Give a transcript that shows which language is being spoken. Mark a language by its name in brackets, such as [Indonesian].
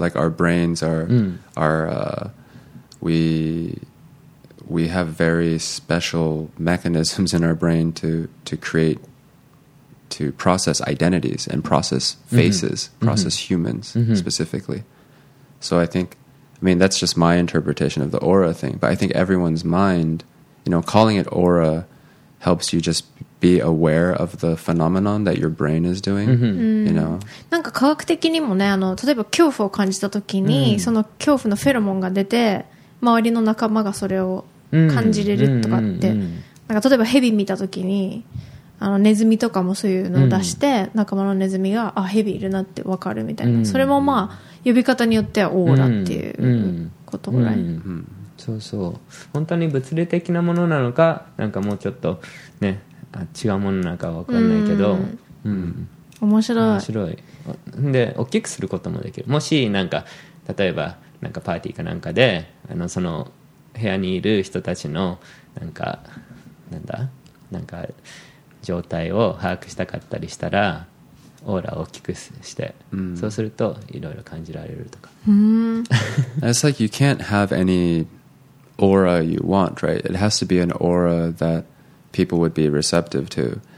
[English] Like our brains are, we have very special mechanisms in our brain to create, to process identities and process faces, process humans specifically. So I think, I mean, that's just my interpretation of the aura thing, but I think everyone's mind, you know, calling it aura helps you just be aware of the phenomenon that your brain is doing, you know. [Japanese] なんか科学的にもね、あの、例えば恐怖を感じた時に、その恐怖のフェロモンが出て、周りの仲間がそれを感じれるとかって、なんか例えばヘビ見た時に、あのネズミとかもそういうのを出して、仲間のネズミが、あ、ヘビいるなってわかるみたいな。それもまあ、呼び方によってはオーラっていうことぐらい。そうそう、本当に物理的なものなのか、なんかもうちょっとね、あ、違うものなのか分かんないけど、面白いで大きくすることもできる。もしなんか例えばなんかパーティーかなんかで、あのその部屋にいる人たちのなんかなんだなんか状態を把握したかったりしたら、オーラを大きくして、そうするといろいろ感じられるとか。 [English] It's like you can't have anyAura you want, right? It has to be an aura that people would be receptive to.